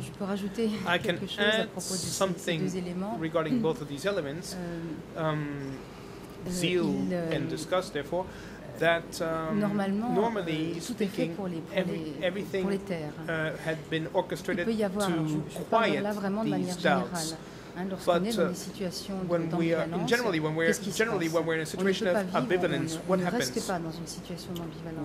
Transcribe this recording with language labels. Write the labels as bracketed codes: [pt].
[fr] je peux rajouter quelque chose à propos de ces deux éléments. [en] Regarding both of these elements, zeal and disgust, therefore, that normally speaking, everything had been orchestrated to quiet these doubts. [fr] Il peut y avoir, je parle là vraiment de manière générale. Lorsqu'on est dans une situation d'ambivalence, [en] in a situation of ambivalence, what happens? [fr] On ne reste pas dans une situation d'ambivalence.